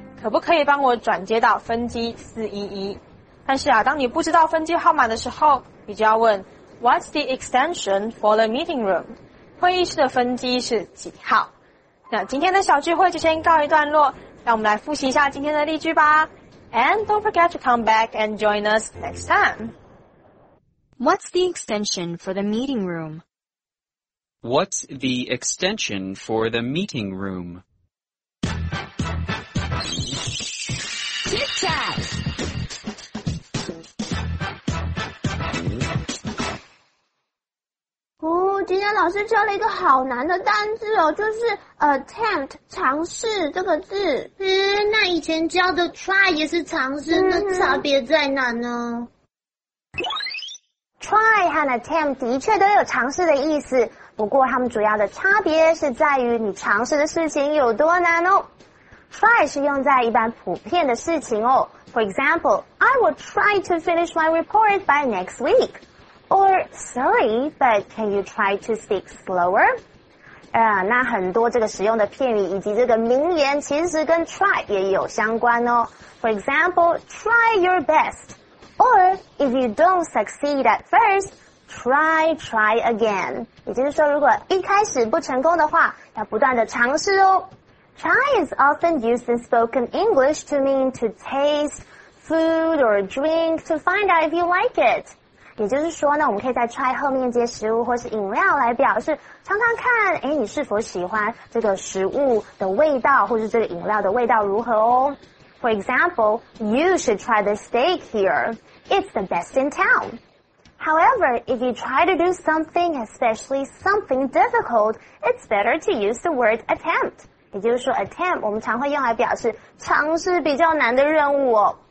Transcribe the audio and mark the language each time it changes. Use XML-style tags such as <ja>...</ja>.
<zh>可不可以帮我转接到分机411？但是啊，当你不知道分机号码的时候，你就要问</zh> <en>What's the extension for the meeting room？</en> <zh>会议室的分机是几号？那今天的小聚会就先告一段落，让我们来复习一下今天的例句吧。</zh> <en>And don't forget to come back and join us next time. What's the extension for the meeting room? What's the extension for the meeting room? Tic Tac!</en> <zh>Oh, 今天老师教了一个好难的单字哦，就是 attempt 尝试这个字。那以前教的 try 也是尝试，那差别在哪呢？ try 和 attempt 的确都有尝试的意思，不过他们主要的差别是在于你尝试的事情有多难哦。</zh> <en>try</en> <zh>是用在一般普遍的事情哦，</zh> <en>for example I will try to finish my report by next week。 Or, sorry, but can you try to speak slower?</en> <zh>那很多这个使用的片语以及这个名言其实跟 try 也有相关哦。</zh> <en>For example, try your best. Or, if you don't succeed at first, try again.</en> <zh>也就是说如果一开始不成功的话，要不断的尝试哦。</zh> <en>Try is often used in spoken English to mean to taste food or drink to find out if you like it.</en> <zh>也就是说呢，我们可以在 try 后面接食物或是饮料来表示尝尝看，诶，你是否喜欢这个食物的味道或是这个饮料的味道如何哦。</zh> <en>For example, you should try the steak here. It's the best in town. However, if you try to do something, especially something difficult, it's better to use the word attempt.</en> <zh>也就是说 attempt 我们常会用来表示尝试比较难的任务哦。</zh>